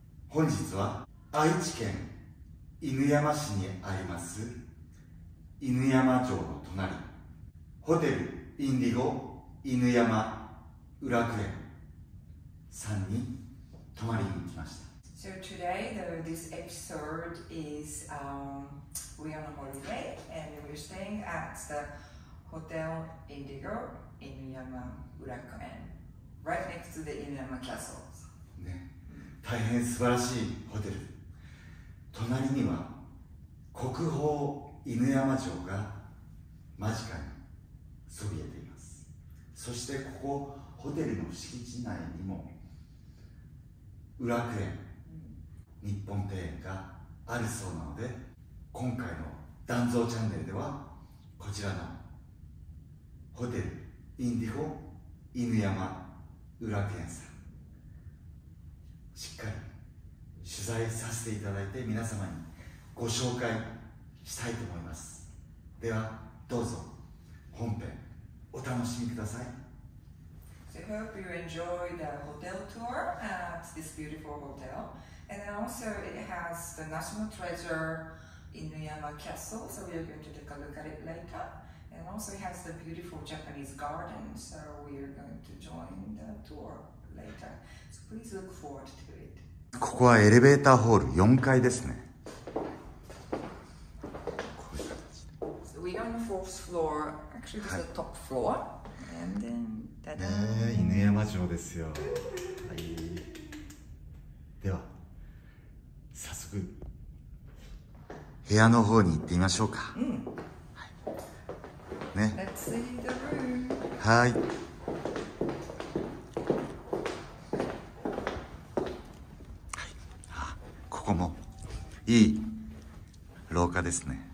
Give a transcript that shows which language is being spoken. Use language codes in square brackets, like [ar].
[ja] 本日は愛知県犬山市にあります犬山城の隣、ホテルインディゴ犬山裏久園さんに泊まりに来ました。 [en] So today, this episode is, we are on holiday and we're staying at the Hotel Indigo, Inuyama Urakuen, right next to the Inuyama Castles. [ja] ね、大変素晴らしいホテル。隣には国宝犬山城が間近にそびえています。そしてここホテルの敷地内にも裏久園日本庭園があるそうなので、今回のダンゾーチャンネルではこちらのホテルインディゴ犬山裏久園さんしっかり取材させていただいて皆様にご紹介したいと思います。ではどうぞ本編お楽しみください。 [en] So hope you enjoy the hotel tour at this beautiful hotel. And also it has the national treasure Inuyama Castle, so we are going to take a look at it later. And also it has the beautiful Japanese garden, so we are going to join the tour later. So please look forward to it. [ja] ここはエレベーターホール4階ですね。 [en] So we are on the fourth floor, actually this is the top floor. And then... [ja] ね、犬山城ですよ、はい、では早速部屋の方に行ってみましょうか、うん、はい、ね、 [en] Let's see the room. [ja] はい、はい、あ、ここもいい廊下ですね、